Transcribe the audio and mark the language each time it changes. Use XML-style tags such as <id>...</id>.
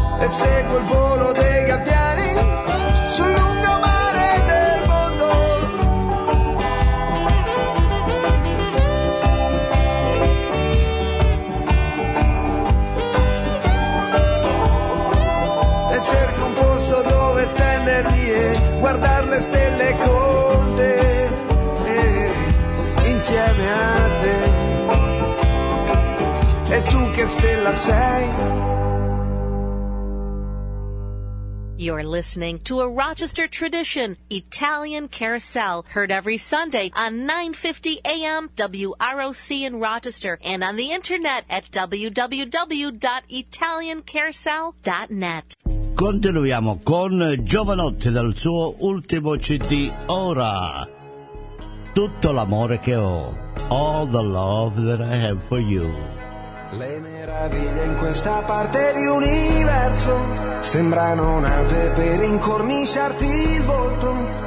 <it>Segue il volo dei gabbiani sul lungomare del mondo. E cerco un posto dove stendermi e guardare le stelle con te, insieme a te. E tu che stella sei?</it> <en>You're listening to a Rochester tradition, Italian Carousel, heard every Sunday on 950 AM WROC in Rochester and on the internet at www.italiancarousel.net.</en> <it>Continuiamo con Giovanotti dal suo ultimo CD, ora. Tutto l'amore che ho,</it> <en>all the love that I have for you.</en> <it>Le meraviglie in questa parte di universo sembrano nate per incorniciarti il volto.</it>